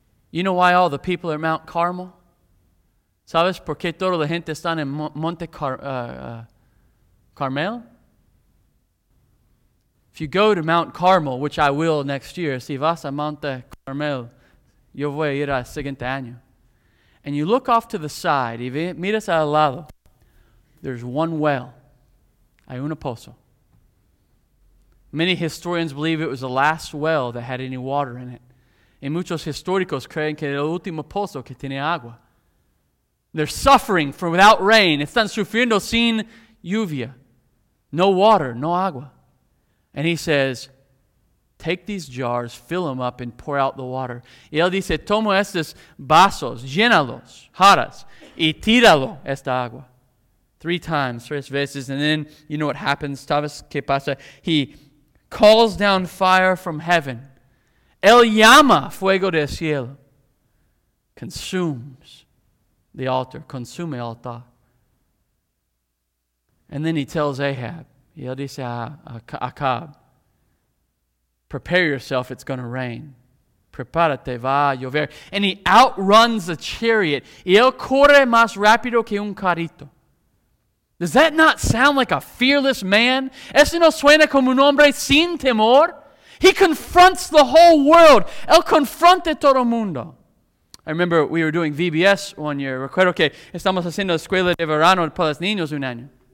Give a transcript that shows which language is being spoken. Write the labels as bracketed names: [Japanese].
[English] You know why all the people are at Mount Carmel? [Spanish] ¿Sabes por qué toda la gente está en Monte Carmel? [English] If you go to Mount Carmel, which I will next year, [Spanish] si vas a Monte Carmel, yo voy a ir al siguiente año. [English] And you look off to the side, [Spanish] y miras al lado, [English] there's one well. [Spanish] Hay un pozo. [English] Many historians believe it was the last well that had any water in it. [Spanish] Y muchos históricos creen que era el último pozo que tenía agua. [English] They're suffering from without rain. [Spanish] Están sufriendo sin lluvia. [English] No water, [Spanish] no agua. [English] And he says, take these jars, fill them up, and pour out the water. [Spanish] Y él dice, tomo estos vasos, llénalos, jaras, y tíralo esta agua. [English] Three times, [Spanish] tres veces, [English] and then you know what happens. [Spanish] ¿Sabes qué pasa? [English] He calls down fire from heaven. [Spanish] Él llama fuego del cielo. [English] Consumes the altar. [Spanish] Consume el altar. [English] And then he tells Ahab, [Spanish] y él dice a Acab, [English] prepare yourself, it's going to rain. [Spanish] Prepárate, va a llover. [English] And he outruns the chariot. [Spanish] Y él corre más rápido que un carrito. [English] Does that not sound like a fearless man? [Spanish] ¿Eso no suena como un hombre sin temor? [English] He confronts the whole world. [Spanish] Él confronta todo mundo. [English] I remember we were doing VBS one year. [Spanish] Recuerdo que estamos haciendo escuela de verano para los niños un año.